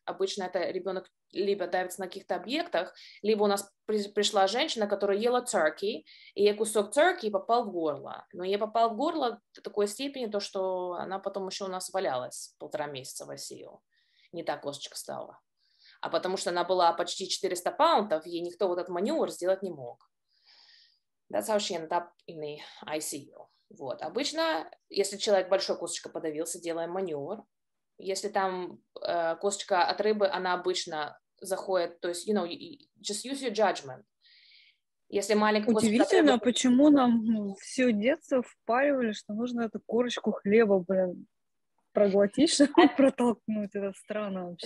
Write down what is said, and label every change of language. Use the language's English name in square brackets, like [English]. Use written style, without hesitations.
[Russian] Обычно это ребенок либо давится на каких-то объектах, либо у нас пришла женщина, которая ела turkey, и ей кусок turkey попал в горло. Но ей попал в горло до такой степени, то, что она потом еще у нас валялась 1.5 месяца в ICU. Не та косточка стала. А потому что она была почти 400 паунтов, ей никто вот этот маневр сделать не мог. [English] That's how she ended up in the ICU. [Russian] Вот. Обычно, если человек большой косточкой подавился, делаем маневр. Если там косточка от рыбы, она обычно заходит, то есть, [English] you know, just use your judgment. [Russian] Если маленькая косточка от рыбы... Удивительно, почему нам все детство впаривали, что нужно эту корочку хлеба, блин, проглотить, чтобы протолкнуть, это странно вообще.